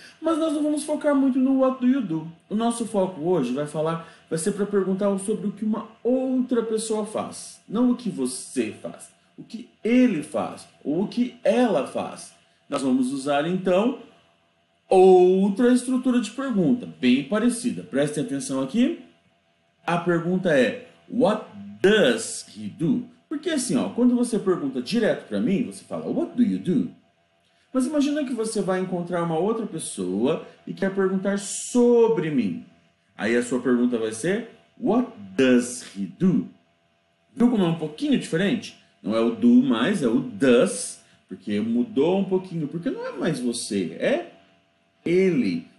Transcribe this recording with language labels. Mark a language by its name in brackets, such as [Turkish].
[Portuguese] Mas nós não vamos focar muito no [English] what do you do. [Portuguese] O nosso foco hoje vai ser para perguntar sobre o que uma outra pessoa faz. Não o que você faz. O que ele faz. Ou o que ela faz. Nós vamos usar então outra estrutura de pergunta, bem parecida. Prestem atenção aqui. A pergunta é: [English] What does he do? [Portuguese] Porque assim, ó, quando você pergunta direto para mim, você fala: [English] What do you do? [Portuguese] Mas imagina que você vai encontrar uma outra pessoa e quer perguntar sobre mim. Aí a sua pergunta vai ser: [English] What does he do? [Portuguese] Viu como é um pouquinho diferente? Não é o do mais, é o does, porque mudou um pouquinho, porque não é mais você, é ele.